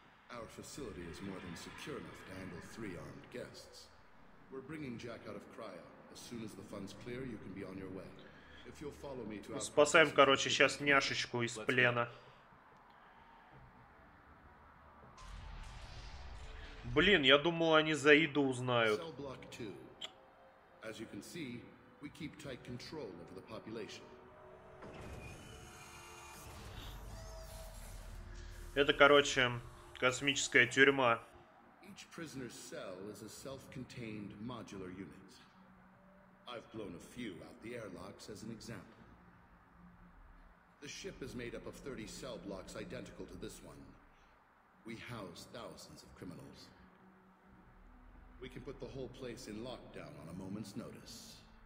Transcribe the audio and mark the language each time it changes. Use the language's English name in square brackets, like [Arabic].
[English] Our facility is more than secure enough to handle three armed guests. We're bringing Jack out of cryo. As soon as the fund's clear, you can be on your way. If you'll follow me to our... [Russian] Спасаем, короче, сейчас няшечку из плена. Блин, я думал, они за Иду узнают. [English] Cell block 2. As you can see, we keep tight control over the population. [Russian] Это, короче, космическая тюрьма. [English] Each prisoner's cell is a self-contained modular unit. I've blown a few out the airlocks as an example. The ship is made up of 30 cell blocks identical to this one. We house thousands of criminals. We can put the whole place in lockdown on a moment's notice.